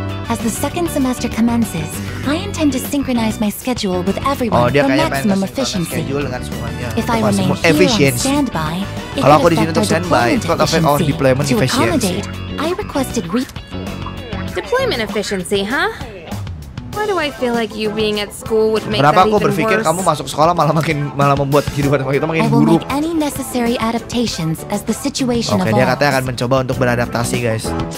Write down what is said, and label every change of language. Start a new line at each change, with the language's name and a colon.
English: As the second semester commences, I intend to synchronize my schedule with everyone for maximum efficiency. If I remain here on standby, it could affect our deployment efficiency. I requested deployment efficiency, huh? Why do I feel like you being at school would make that even worse?
Indonesian: Kenapa aku berpikir kamu masuk sekolah malah membuat kehidupan kita makin buruk?
English: I will make any necessary adaptations as the situation evolves.
Indonesian: Oke, dia katanya akan mencoba untuk beradaptasi, guys.